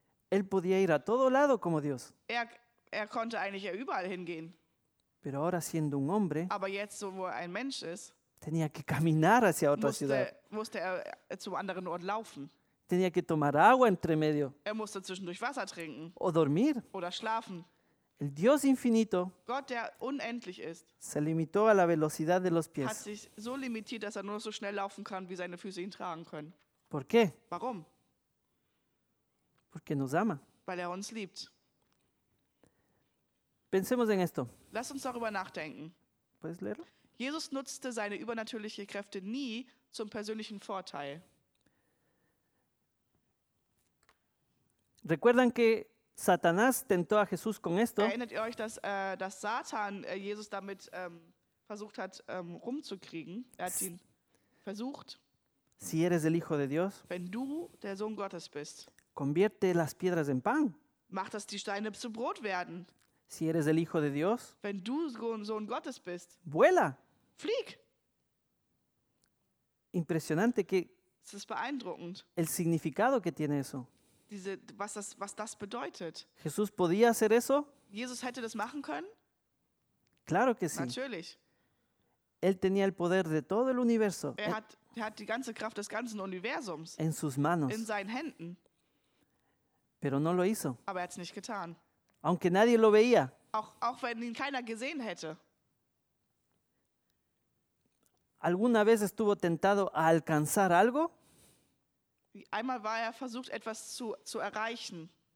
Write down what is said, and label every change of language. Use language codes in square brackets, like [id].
[es] Él podía ir a todo lado como Dios. [de] Er konnte eigentlich ja überall hingehen. [es] Pero ahora, siendo un hombre, [de] aber jetzt, wo er ein Mensch ist, [es] tenía que caminar hacia otra ciudad. [de] Musste er zu anderen Orten laufen. [es] Tenía que tomar agua entre medio. [de] Er musste zwischendurch Wasser trinken. [es] O dormir. [de] Oder schlafen. [es] El Dios infinito, [de] Gott, der unendlich ist, [es] se limitó a la velocidad de los pies. [de] Hat sich so limitiert, dass er nur so schnell laufen kann, wie seine Füße ihn tragen können. [es] ¿Por qué? [de] Warum? [es] Porque nos ama. [de] Weil er uns liebt. [es] Pensemos en esto. [de] Lass uns darüber nachdenken. [es] ¿Puedes leerlo? [de] Jesus nutzte seine übernatürlichen Kräfte nie zum persönlichen Vorteil. [es] ¿Recuerdan que Satanás tentó a Jesús con esto? [de] Erinnert ihr euch, dass Satan Jesus damit versucht hat, rumzukriegen? Er hat ihn versucht. [es] Si eres el hijo de Dios, [de] wenn du der Sohn Gottes bist, [es] convierte las piedras en pan. [de] Mach, dass die Steine zu Brot werden. [es] Si eres el hijo de Dios, [de] wenn du Sohn Gottes bist, [es] vuela. [de] Flieg. [es] Impresionante que [de] es ist beeindruckend. [es] El significado que tiene eso. [de] Was das bedeutet. [es] Jesús podía hacer eso? [de] Jesus hätte das machen können? [es] Claro que sí. [de] Natürlich. [es] Él tenía el poder de todo el universo. [de] Er hat die ganze Kraft des ganzen Universums. [es] En sus manos. [de] In seinen Händen. [es] Pero no lo hizo. [de] Aber er hat es nicht getan. [es] Aunque nadie lo veía. [de] Auch wenn ihn keiner gesehen hätte. [es] ¿Alguna vez estuvo tentado a alcanzar algo? [de] Einmal war er versucht, etwas zu erreichen.